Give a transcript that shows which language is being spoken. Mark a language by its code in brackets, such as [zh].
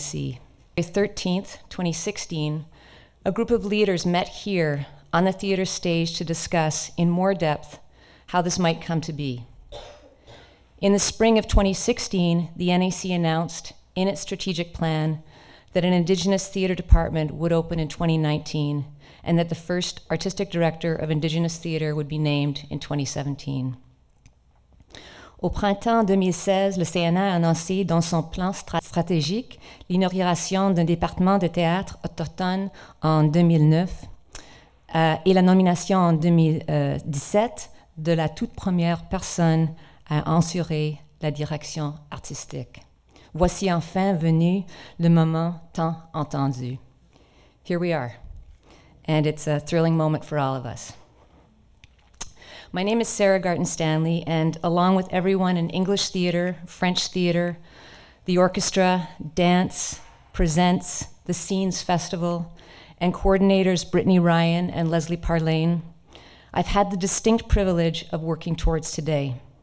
[en] February 13th, 2016, a group of leaders met here on the theater stage to discuss in more depth how this might come to be. In the spring of 2016, the NAC announced in its strategic plan that an Indigenous theater department would open in 2019 and that the first artistic director of Indigenous theater would be named in 2017. [fr] Au printemps 2016, le CNA a annoncé dans son plan stratégique l'inauguration d'un département de théâtre autochtone en 2009 et la nomination en 2017 de la toute première personne à assurer la direction artistique. Voici enfin venu le moment tant attendu. [en] Here we are, and it's a thrilling moment for all of us. My name is Sarah Garten-Stanley, and along with everyone in English theater, French theater, the orchestra, dance, presents, the Scenes Festival, and coordinators Brittany Ryan and Leslie Parlane, I've had the distinct privilege of working towards today.